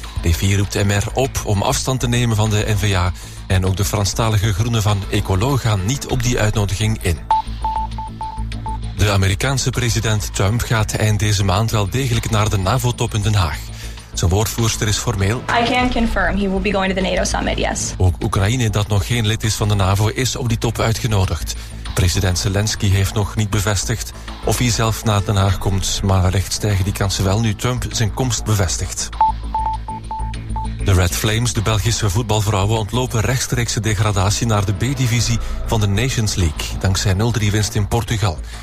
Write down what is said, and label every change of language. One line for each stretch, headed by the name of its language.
Dutch: D4 roept MR op om afstand te nemen van de N-VA. En ook de Franstalige Groenen van Ecolo gaan niet op die uitnodiging in. De Amerikaanse president Trump gaat eind deze maand wel degelijk naar de NAVO-top in Den Haag. Zijn woordvoerster is formeel.
English: I can confirm he will be going to the NATO summit, yes.
Dutch: Ook Oekraïne, dat nog geen lid is van de NAVO, is op die top uitgenodigd. President Zelensky heeft nog niet bevestigd of hij zelf naar Den Haag komt, maar wellicht stijgen die kansen wel nu Trump zijn komst bevestigt. De Red Flames, de Belgische voetbalvrouwen, ontlopen rechtstreekse degradatie naar de B-divisie van de Nations League, dankzij 0-3 winst in Portugal.